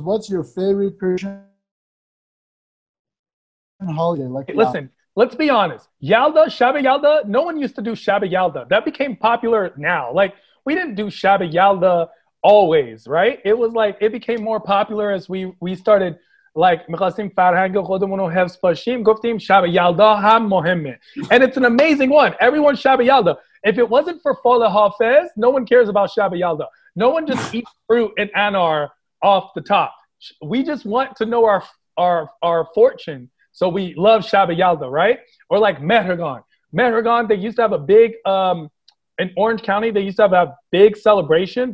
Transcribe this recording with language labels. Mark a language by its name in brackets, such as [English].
[English] What's your favorite Persian holiday? Like, hey, listen, let's be honest. Yalda, Shabi Yalda, no one used to do Shabi Yalda. That became popular now. Like, we didn't do Shabi Yalda always, right? It was like, it became more popular as we started [Persian] like میخواستیم فرهنگ خودمون رو حفظ باشیم گفتیم شب یلدا هم مهمه. [English] And it's an amazing one. Everyone شب یلدا. If it wasn't for Fall of Hafez, no one cares about شب یلدا. No one just eats fruit and anar off the top. We just want to know our fortune. So we love شب یلدا, right? Or like مهرگان. مهرگان, they used to have a big, in Orange County, they used to have a big celebration.